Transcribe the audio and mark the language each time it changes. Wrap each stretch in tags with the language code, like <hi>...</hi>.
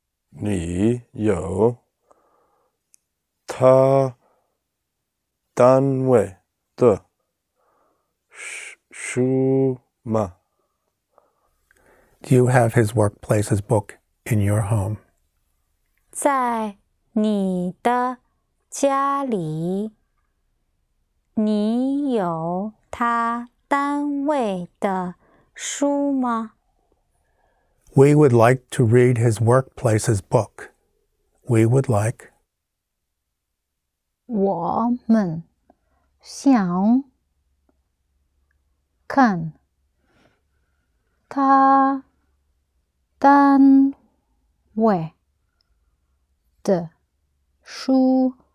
<zh>你有他单位的书吗?</zh> <en>Do you have his workplace's book in your home?</en> <zh>在你的家里你有他单位的书吗?</zh> <en>We would like to read his workplace's book. We would like</en> <zh>我们想看他单位的书</zh>